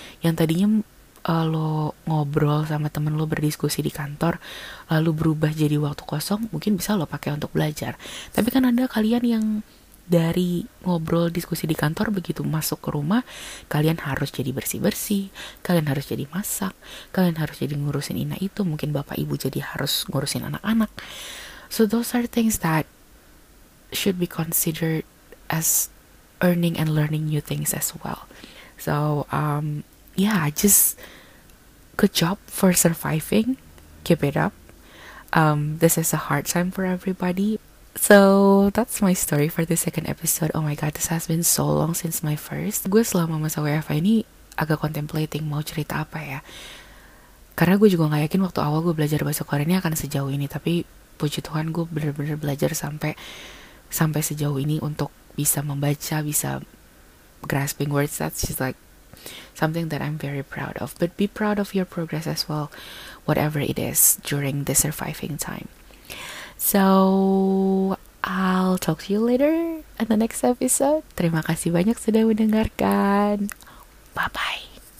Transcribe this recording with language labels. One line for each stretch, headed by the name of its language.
Indonesian: Yang tadinya lo ngobrol sama temen lo, berdiskusi di kantor, lalu berubah jadi waktu kosong, mungkin bisa lo pakai untuk belajar. Tapi kan ada kalian yang dari ngobrol diskusi di kantor, begitu masuk ke rumah, kalian harus jadi bersih-bersih, kalian harus jadi masak, kalian harus jadi ngurusin ini itu, mungkin bapak ibu jadi harus ngurusin anak-anak.
English: So those are things that should be considered as earning and learning new things as well. So just good job for surviving, keep it up. This is a hard time for everybody. So that's my story for the second episode. Oh my god, this has been so long since my first.
Indonesian: Gue selama masa WFH ini agak contemplating mau cerita apa ya, karena gue juga gak yakin waktu awal gue belajar bahasa Korea ini akan sejauh ini. Tapi puji Tuhan gue bener-bener belajar sampai sejauh ini untuk bisa membaca, bisa
English: grasping words. That's just like something that I'm very proud of. But be proud of your progress as well, whatever it is during the surviving time. So I'll talk to you later in the next episode.
Indonesian: Terima kasih banyak sudah mendengarkan.
English: Bye bye.